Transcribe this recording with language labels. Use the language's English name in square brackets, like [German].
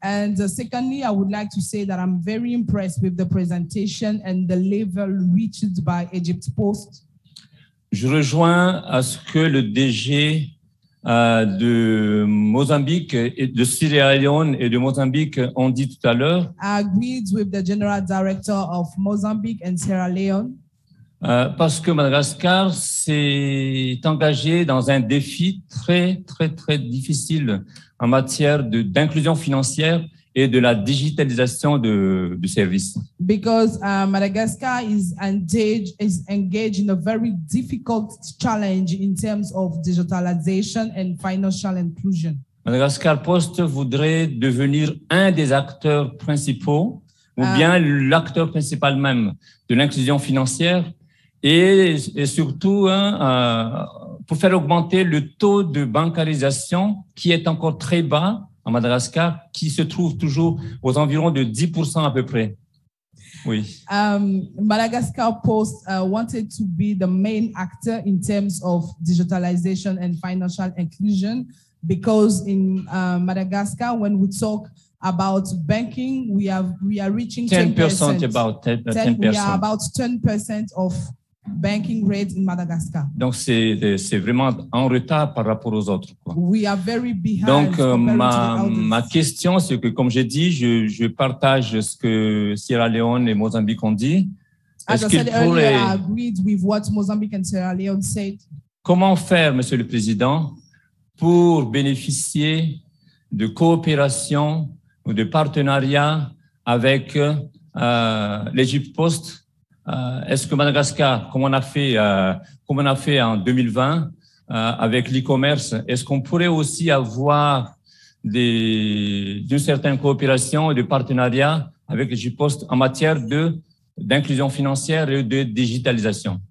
[English] And secondly, I would like to say that I'm very impressed with the presentation and the level reached by Egypt Post. [French] Je rejoins à ce que le DG de Mozambique et de Sierra Leone et de Mozambique ont dit tout à l'heure. [English] I agreed with the general director of Mozambique and Sierra Leone. [French] Parce que Madagascar s'est engagé dans un défi très, très, très difficile en matière d'inclusion financière et de la digitalisation du service. [English] Because Madagascar is engaged in a very difficult challenge in terms of digitalization and financial inclusion. [French] Madagascar Post voudrait devenir un des acteurs principaux ou bien l'acteur principal même de l'inclusion financière. Et surtout, hein, pour faire augmenter le taux de bancarisation qui est encore très bas à Madagascar, qui se trouve toujours aux environs de 10% à peu près. Oui. [English] Madagascar Post wanted to be the main actor in terms of digitalization and financial inclusion because in Madagascar, when we talk about banking, we are reaching 10%. 10%, about 10%. We are about 10% of banking rate in Madagascar. [French] Donc c'est vraiment en retard par rapport aux autres. Quoi. [English] We are very behind. [French] Donc ma question, c'est que comme j'ai dit, je partage ce que Sierra Leone et Mozambique ont dit. Est-ce qu'ils pourraient... [English] I agreed with what Mozambique and Sierra Leone said. [French] Comment faire, Monsieur le Président, pour bénéficier de coopération ou de partenariat avec l'Egypte Post? Est-ce que Madagascar, comme on a fait en 2020 avec l'e-commerce, est-ce qu'on pourrait aussi avoir d'une certaine coopération et de partenariat avec l'Egypte Post en matière d'inclusion financière et de digitalisation?